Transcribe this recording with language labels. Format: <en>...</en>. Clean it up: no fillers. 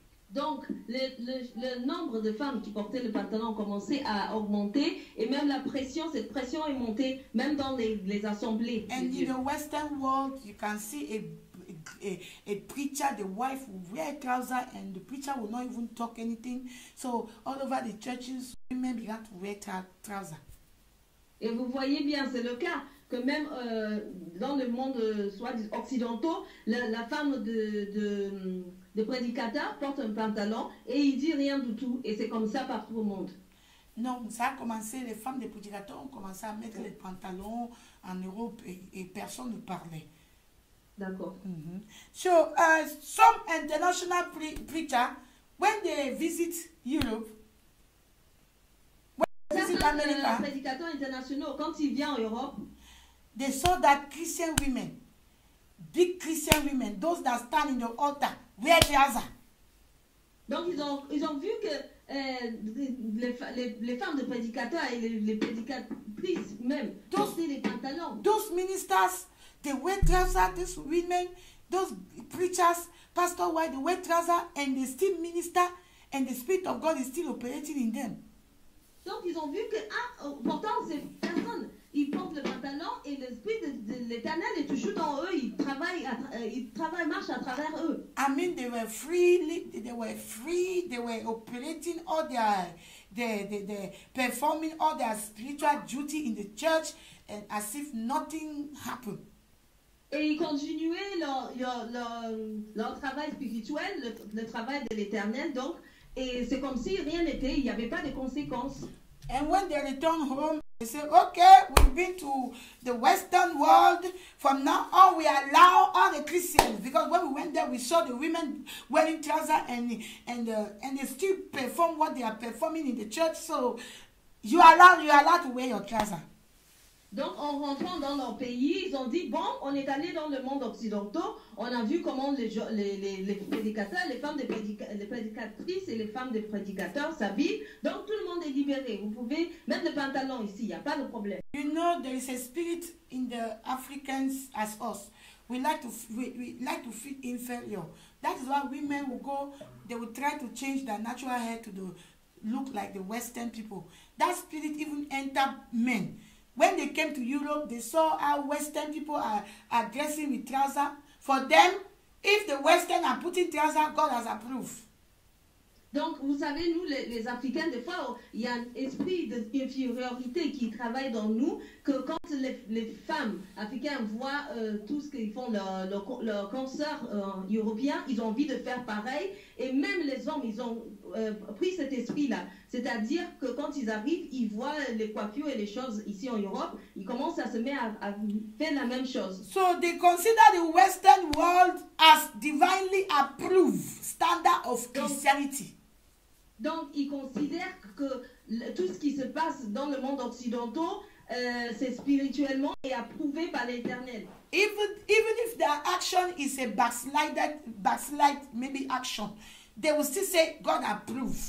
<fr>Donc, le nombre de femmes qui portaient le pantalon commençait à augmenter et même la pression, cette pression est montée même dans les assemblées.</fr> <en>And in the Western world, you can see a preacher, the wife will wear a trouser and the preacher will not even talk anything. So, all over the churches, women began to wear trousers.</en> <fr>Et vous voyez bien, c'est le cas. Que même dans le monde soit occidentaux, la femme de prédicateur porte un pantalon et il dit rien du tout. Et c'est comme ça partout au monde. Non, ça a commencé, les femmes de prédicateurs ont commencé à mettre les pantalons en Europe et personne ne parlait. D'accord.</fr> <en>So, some international preachers, when they visit Europe,</en> <fr>les prédicateurs internationaux, quand ils viennent en Europe,</fr> <en>they saw that Christian women, big Christian women, those that stand in the altar, wear trousers.</en> <fr>Donc ils ils ont vu que les femmes de prédicateurs et les prédicatrices même portaient les pantalons.</fr> <en>Those ministers, they wear trousers, these women, those preachers, pastor why they wear trousers and they still minister and the spirit of God is still operating in them.</en> <fr>Donc ils ont vu que pourtant ces personnes, ils portent le pantalon et l'esprit de l'Éternel est toujours dans eux, ils travaillent, marchent à travers eux.</fr> <en>I mean they were free, they were operating all their performing all their spiritual duty in the church and as if nothing happened.</en> <fr>Et ils continuaient leur travail spirituel, le travail de l'Éternel donc. Et c'est comme si rien n'était, il n'y avait pas de conséquences.</fr> <en>And when they return home, they say, okay, we've been to the Western world. From now on, we allow all the Christians. Because when we went there, we saw the women wearing trousers and they still perform what they are performing in the church. So you allow to wear your trousers.</en> <fr>Donc en rentrant dans leur pays, ils ont dit, bon, on est allé dans le monde occidental, on a vu comment les prédicateurs, les prédicatrices et les femmes des prédicateurs s'habillent. Donc tout le monde est libéré. Vous pouvez mettre le pantalon ici, il n'y a pas de problème.</fr> <en>You know, there is a spirit in the Africans as us. We like to feel inferior. That is why women will go, they will try to change their natural hair to look like the Western people. That spirit even enter men. When they came to Europe, they saw how Western people are dressing with trousers. For them, if the Western are putting trousers, God has approved.</en> <fr>Donc, vous savez, nous, les Africains, des fois, il y a un esprit d'infériorité qui travaille dans nous, que quand les femmes africaines voient tout ce qu'ils font, leurs consoeurs européens, ils ont envie de faire pareil. Et même les hommes, ils ont pris cet esprit-là. C'est-à-dire que quand ils arrivent, ils voient les coiffures et les choses ici en Europe, ils commencent à se mettre à faire la même chose.</fr> <en>So they consider the Western world as divinely approved standard of Christianity.</en> <fr>Donc ils considèrent que tout ce qui se passe dans le monde occidental, c'est spirituellement et approuvé par l'Éternel.</fr> <en>Even if their action is a backslide maybe action, they will still say God approve.</en>